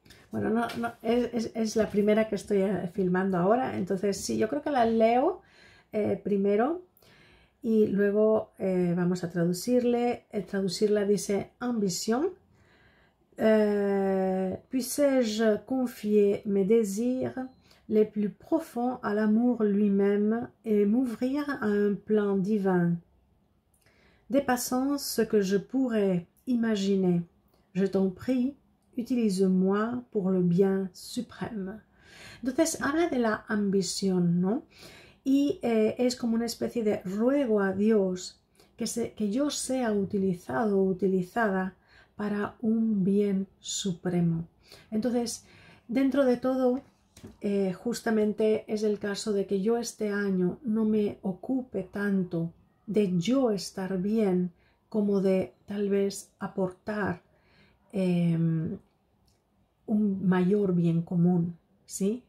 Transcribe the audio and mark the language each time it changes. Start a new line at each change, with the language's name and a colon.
Spanish: Bueno, no es la primera que estoy filmando ahora. Entonces, sí, yo creo que la leo primero. Y luego vamos a traducirle. Traducirla dice ambición.
French: Puis-je confier mes désirs les plus profonds à l'amour lui-même et m'ouvrir à un plan divin? Dépassant ce que je pourrais imaginer, je t'en prie, utilise-moi pour le bien suprême.
Spanish: Entonces, habla de la ambición, ¿no? Y es como una especie de ruego a Dios que yo sea utilizado o utilizada para un bien supremo. Entonces, dentro de todo, justamente es el caso de que yo este año no me ocupe tanto de yo estar bien como de tal vez aportar un mayor bien común. ¿Sí?